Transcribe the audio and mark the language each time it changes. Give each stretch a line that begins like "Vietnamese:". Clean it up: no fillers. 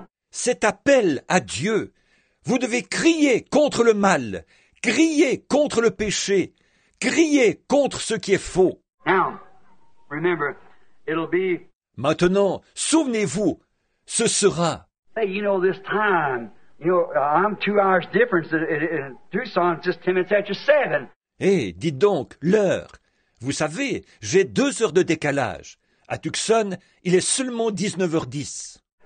French: Cet appel à Dieu, vous devez crier contre le mal, crier contre le péché, crier contre ce qui est faux.
English: Now, remember, it'll be...
French: Maintenant, souvenez-vous, ce sera.
English: Hey, you know this time, you know I'm 2 hours difference in Tucson, just 10 minutes after 7.
French: Hey, dites donc l'heure. Vous savez, j'ai 2 heures de décalage. À Tucson, il est seulement 19h10.